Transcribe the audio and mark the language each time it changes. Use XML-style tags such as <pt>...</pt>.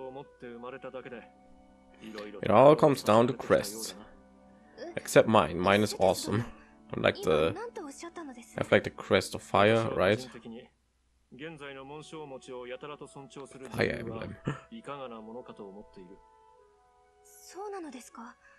<ja>相手方からすれば紋章を宿す血を一族に取り込む足がかりになるということか。やれやれ、紋章を持って生まれただけでいろいろ。</ja> <en>It all comes down to crests. Except mine. Mine is awesome. Like the, I've like the crest of fire, right?</en> <ja>現在の紋章持ちをやたらと尊重する</ja> <en>Fire Emblem.</en> <ja>いかがなものかと思っている。そうなのですか。</ja>